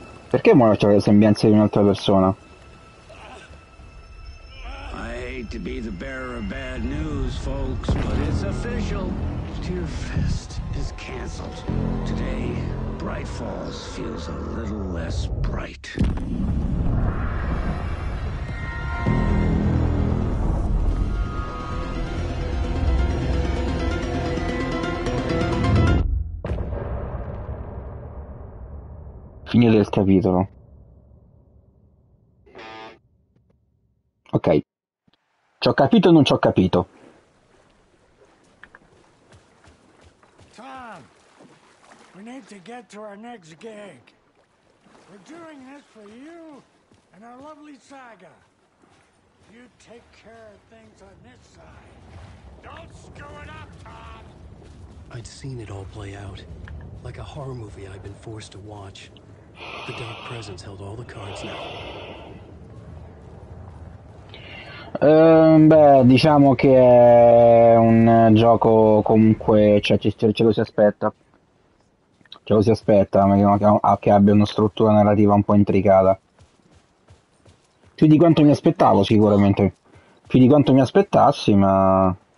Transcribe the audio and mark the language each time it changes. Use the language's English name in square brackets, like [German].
[Italian] Perché muore c'è le sembianze di un'altra persona? [English] I hate to be the bearer of bad news, folks, but it's official. Tearfest is cancelled. Today, Bright Falls feels a little less bright. [Italian] Fine del capitolo. Ok. Ci ho capito o non ci ho capito? [English] need to get to our next gig. We're doing this for you and our lovely saga. You take care of things on this side. Don't screw it up, Tom! I'd seen it all play out, like a horror movie I'd been forced to watch. The Dark Presence held all the cards now. [Italian] Beh, diciamo che è un gioco comunque, cioè ce lo si aspetta. Ce lo si aspetta, che abbia una struttura narrativa un po' intricata. Più di quanto mi aspettavo, sicuramente. Più di quanto mi aspettassi, ma...